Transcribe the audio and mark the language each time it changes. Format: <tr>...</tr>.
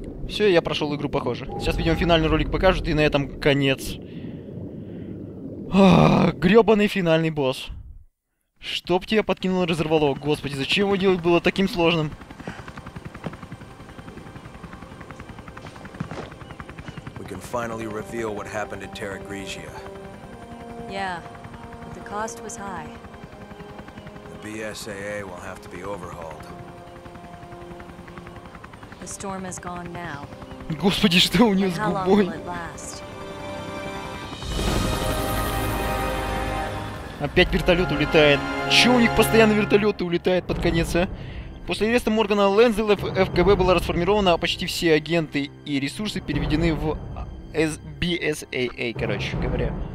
<ru>Все, я прошел игру, похоже. Сейчас, видимо, финальный ролик покажут, и на этом конец. Ах, гребаный финальный босс. Чтоб тебя подкинуло, разорвало. Господи, зачем его делать было таким сложным?</ru> <en>Finally reveal what happened at Terra Grigia. Yeah, but the cost was high. The BSAA will have to be overhauled. The storm is gone now.</en> <ru>Господи, что у неё с губой?</ru> <en>How long will it last?</en> <ru>Опять вертолет улетает. Чё у них постоянно вертолеты улетают под конец, а? После ареста Моргана Лэнсдейла ФКБ была расформирована, а почти все агенты и ресурсы переведены в BSAA, короче говоря.</ru>